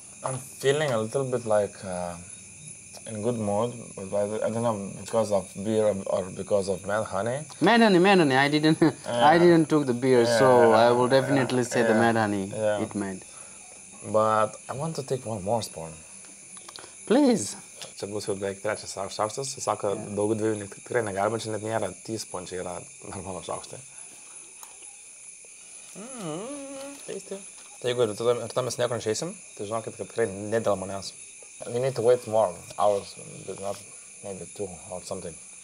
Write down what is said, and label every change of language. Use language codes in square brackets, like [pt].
[en] I'm feeling a little bit like in good mood, but I don't know, because of beer or because of mad honey. Mad honey. I didn't took the beer, I will definitely say the mad honey it made. But I want to take one more spoon. Please. [lt] Čia bus jau beveik trečias šaukštas. Jis sako, daug dviejų tikrai negalima, čia net nėra tyspončiai, yra normalo šaukštai. Teisti. Tai jeigu ir to mes nieko neišeisim, tai žinokit, kad tikrai ne dėl manęs. [en] We need to wait more hours, but not maybe two or something.